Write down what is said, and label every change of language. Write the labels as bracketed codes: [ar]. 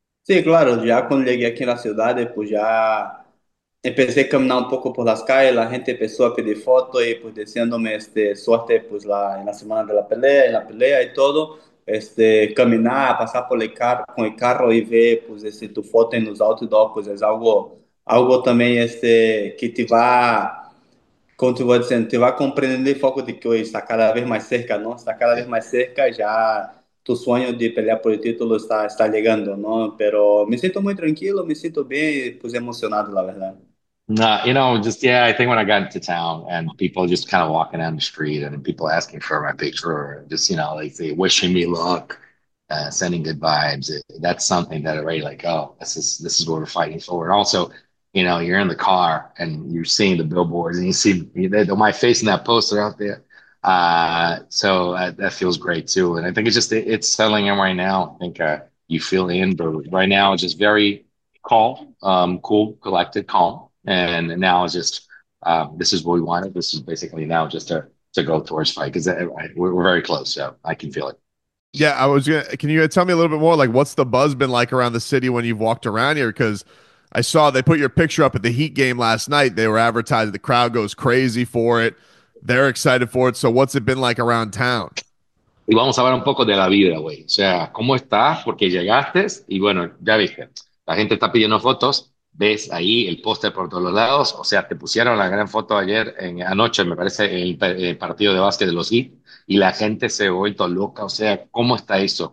[es] Sí, claro, ya cuando llegué aquí a la ciudad, pues ya empecé a caminar un poco por las calles, la gente empezó a pedir fotos y pues deseándome suerte pues en la semana de la pelea y todo, caminar, pasar por con el carro y ver pues tu foto en los outdoors, pues es algo también que te va, como te voy diciendo, te va a comprender el foco de que hoy está cada vez más cerca, ¿no? Está cada vez más cerca y ya tu sueño de pelear por el título está llegando, ¿no? Pero me siento muy tranquilo, me siento bien, pues emocionado, la verdad. [en] I think when I got into town and people just kind of walking down the street and people asking for my picture, and just, like they wishing me luck, sending good vibes. That's something that already like, oh, this is what we're fighting for. And also, you're in the car and you're seeing the billboards and you see my face in that poster out there. That feels great too. And I think it's settling in right now. I think you feel in, but right now it's just very calm, cool, collected, calm. And now it's just this is what we wanted. This is basically now just to go towards fight because we're very close, so I can feel it. Yeah, I was gonna. Can you tell me a little bit more? Like, what's the buzz been like around the city when you've walked around here? Because I saw they put your picture up at the Heat game last night. They were advertising, the crowd goes crazy for it. They're excited for it. So, what's it been like around town? [es] Y vamos a hablar un poco de la vida, güey. O sea, ¿cómo estás? Porque llegaste y bueno, ya dije, la gente está pidiendo fotos. Ves ahí el póster por todos los lados. O sea, te pusieron la gran foto ayer, anoche, me parece, el partido de básquet de los Heat, y la gente se ha vuelto loca. O sea, ¿cómo está eso?